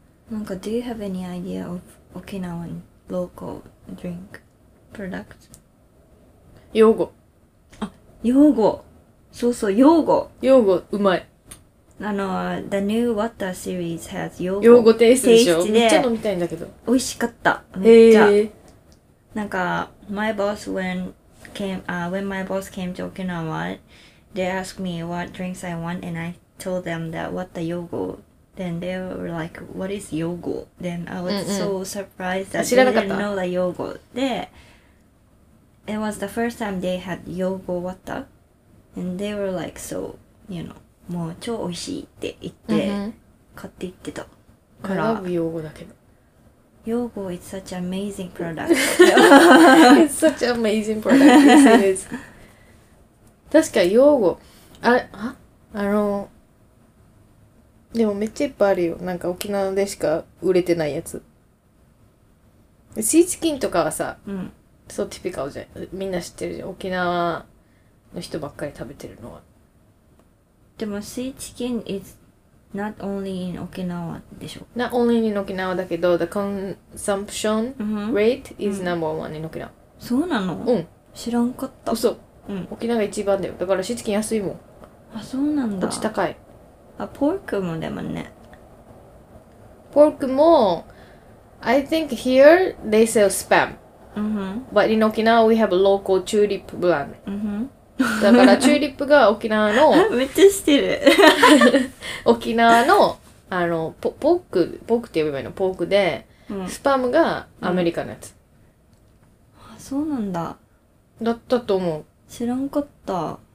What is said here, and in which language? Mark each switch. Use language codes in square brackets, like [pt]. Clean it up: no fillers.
[en] なんか、do you have any idea of Okinawan? Local drink product. [ja] 用語。あ、用語。そうそう、用語。用語、うまい。 [en] あの、The New Water Series has 用 [ja] 語。用語テイストでしょ。めっちゃ飲みたいんだけど。美味しかった。めっちゃ。 [en] なんか、My boss when my boss came to Okinawa, they asked me what drinks I want, and I told them that what the 用語。 Then they were like, what is yogo? Then I was so surprised that they didn't know the yogo. It was the first time they had yogo water. And they were like, so, you know, [ja] もう超美味しいって言って、買って行ってたから。 [en] I love yogo [ja] だけど。 [en] Yogo is such an amazing product. It's such an amazing product, yes it is. [ja] 確かに yogo。あれ、は？あの、でもめっちゃいっぱいあるよ。なんか沖縄でしか売れてないやつ。シーチキンとかはさ、うん、そうティピカルじゃん。みんな知ってるじゃん。沖縄の人ばっかり食べてるのは。でもシーチキン [en] is not only in [ja] 沖縄でしょ。 [en] Not only in [ja] 沖縄だけど、 [en] the consumption rate is number one in 沖縄。 [ja] そうなの？うん。知らんかった。嘘。うん。沖縄が一番だよ。だからシーチキン安いもん。あ、そうなんだ。こっち高い。あ、ポークもでもね。ポークも、 [en] I think here they sell spam. Mm-hmm. But in Okinawa we have a local tulip brand. Mm-hmm. [ja] だからチューリップが沖縄の、めっちゃ知ってる。沖縄の、あの、ポーク、ポークって呼べばいいの、ポークで、うん、スパムがアメリカのやつ。うん、あ、そうなんだ。だったと思う。知らんかった。